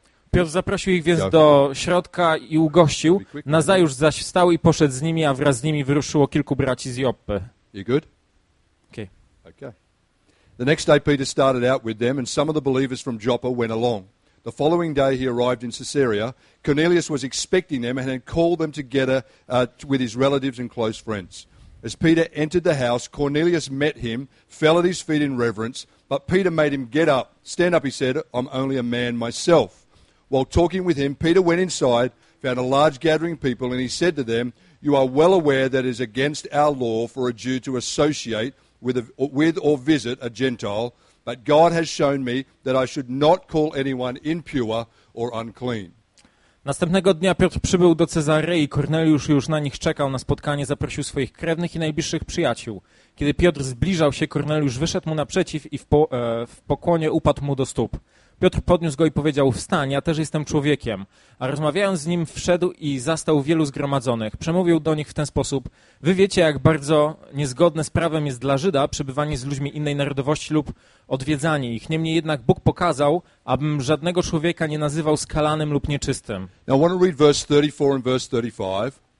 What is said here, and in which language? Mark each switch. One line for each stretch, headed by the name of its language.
Polish: Piotr zaprosił ich więc do środka i ugościł. Nazajutrz zaś wstał i poszedł z nimi, a wraz z nimi wyruszyło kilku braci z Joppy.
English: You good? Okay. Okay. The next day Peter started out with them, and some of the believers from Joppa went along. The following day he arrived in Caesarea. Cornelius was expecting them and had called them together with his relatives and close friends. As Peter entered the house, Cornelius met him, fell at his feet in reverence, but Peter made him get up. "Stand up," he said, "I'm only a man myself." While talking with him, Peter went inside, found a large gathering of people, and he said to them, "You are well aware that it is against our law for a Jew to associate with or visit a Gentile, but God has shown me that I should not call anyone impure or unclean."
Polish: Następnego dnia Piotr przybył do Cezarei i Korneliusz już na nich czekał na spotkanie, zaprosił swoich krewnych i najbliższych przyjaciół. Kiedy Piotr zbliżał się, Korneliusz wyszedł mu naprzeciw i w pokłonie upadł mu do stóp. Piotr podniósł go i powiedział: wstań, ja też jestem człowiekiem. A rozmawiając z nim, wszedł i zastał wielu zgromadzonych. Przemówił do nich w ten sposób: wy wiecie, jak bardzo niezgodne z prawem jest dla Żyda przebywanie z ludźmi innej narodowości lub odwiedzanie ich. Niemniej jednak Bóg pokazał, abym żadnego człowieka nie nazywał skalanym lub nieczystym.
English: Now I want to read verse 34 and verse 35.